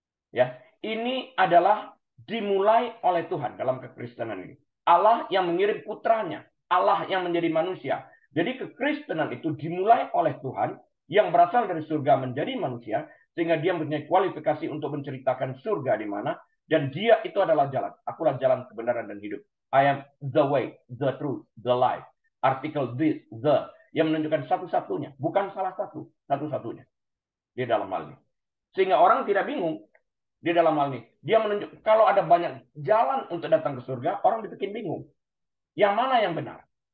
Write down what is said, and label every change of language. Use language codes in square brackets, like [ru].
[id] Ya, ini adalah dimulai oleh Tuhan dalam kekristenan ini. Allah yang mengirim putranya, Allah yang menjadi manusia. Jadi kekristenan itu dimulai oleh Tuhan yang berasal dari surga menjadi manusia, sehingga dia mempunyai kualifikasi untuk menceritakan surga di mana, dan dia itu adalah jalan. Akulah jalan kebenaran dan hidup. [en] I am the way, the truth, the life. Artikel this, the. [id] Yang menunjukkan satu-satunya. Bukan salah satu, satu-satunya. Di dalam hal ini. Sehingga orang tidak bingung di dalam hal ini. Dia menunjuk, kalau ada banyak jalan untuk datang ke surga, orang dibikin bingung. Yang mana yang benar?